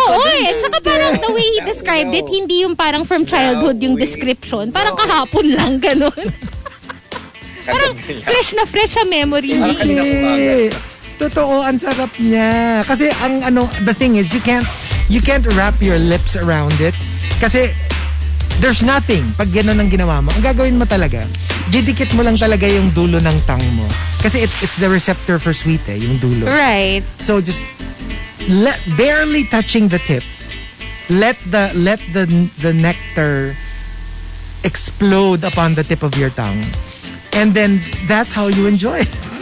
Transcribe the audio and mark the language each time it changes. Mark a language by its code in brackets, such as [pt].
[tl] Oh, oy, at saka parang [en] the way he described it, [tl] hindi yung parang from childhood yung description. Parang kahapon lang, ganun. Parang fresh na fresh sa memory. Okay. Totoo, ang sarap niya. Kasi ang ano, [en] the thing is, you can't wrap your lips around it. [tl] Kasi, [en] there's nothing [tl] pag gano'n ang ginawa mo. Ang gagawin mo talaga, didikit mo lang talaga yung dulo ng tongue mo. [en] Kasi it's the receptor for sweet, eh, [tl] yung dulo. [en] Right. So just barely touching the tip, let the nectar explode upon the tip of your tongue. And then that's how you enjoy it.